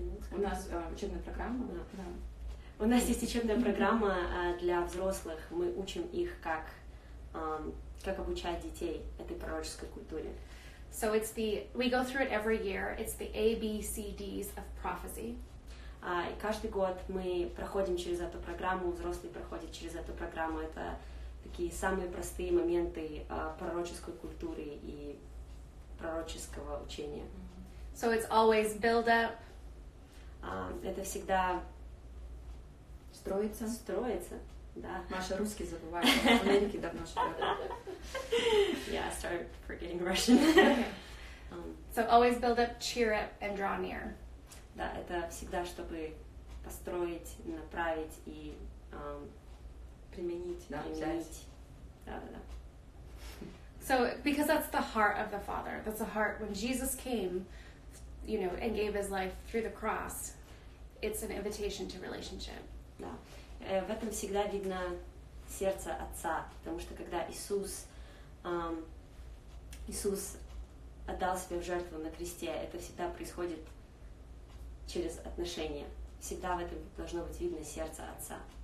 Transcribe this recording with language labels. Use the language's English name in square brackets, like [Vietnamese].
[Russian] У нас учебная программа. У нас есть учебная программа для взрослых. Мы учим их, как как обучать детей этой пророческой культуре. [English] So it's the we go through it every year. It's the ABCDs of prophecy. [Russian] И каждый год мы проходим через эту программу, взрослые проходят через эту программу. Это такие самые простые моменты пророческой культуры и пророческого учения. [English] So it's always build up. [Russian] Это всегда строится. Строится, да. Маша русский забывает, Ленинки давно что-то. [English] Yeah, I started forgetting Russian. So always build up, cheer up, and draw near. [Russian] Да, это всегда, чтобы построить, направить и применить. Да, взять. Да. [English] So, because that's the heart of the Father. That's the heart when Jesus came, you know, and gave his life through the cross. It's an invitation to relationship. [Russian] Да. В этом всегда видно сердце Отца, потому что когда Иисус, Иисус отдал себя в жертву на кресте, это всегда происходит через отношения. Всегда в этом должно быть видно сердце Отца.